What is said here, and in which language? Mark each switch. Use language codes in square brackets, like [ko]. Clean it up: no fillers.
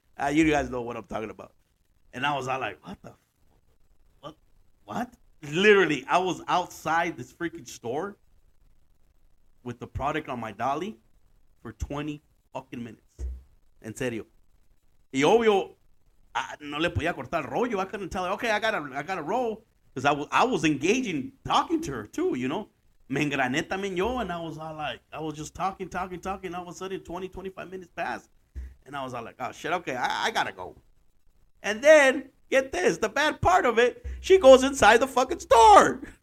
[en] you guys know what I'm talking about. And I was all like, what the fuck? What? Literally, I was outside this freaking store with the product on my dolly for 20 fucking minutes. [es] En serio. Y obvio, no le podía cortar el rollo. [en] I couldn't tell her, okay, I got a roll. Because I was engaging, talking to her too, you know. [es] Me engrané también yo, [en] and I was all like, I was just talking. All of a sudden, 20, 25 minutes passed. And I was all like, oh, shit, okay, I got to go. And then, get this, the bad part of it, she goes inside the fucking store.